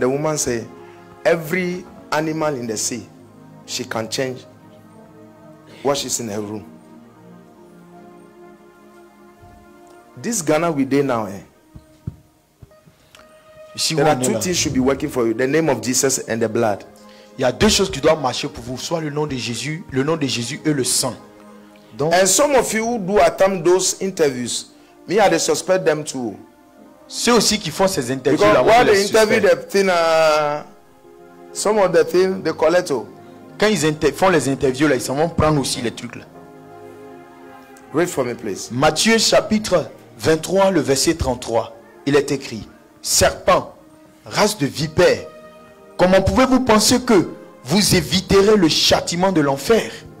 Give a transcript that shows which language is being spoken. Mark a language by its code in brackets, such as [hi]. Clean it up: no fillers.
[en] The woman said, every animal in the sea, she can change what she's in her room. This Ghana we day now, eh? There are two things should be working for you: the name of Jesus and the blood. [fr] Il y a deux choses qui doivent marcher pour vous, soit le nom de Jésus et le sang. [en] Donc, and some of you do attempt those interviews, me I suspect them too. [fr] Ceux aussi qui font ces interviews, [en] because while they interview the thing, some of the things they collect. [fr] Quand ils font les interviews là, ils vont prendre aussi les trucs là. [en] Read for me, please. [fr] Matthieu chapitre 23, le verset 33. Il est écrit: serpent, race de vipère, Comment pouvez-vous penser que vous éviterez le châtiment de l'enfer?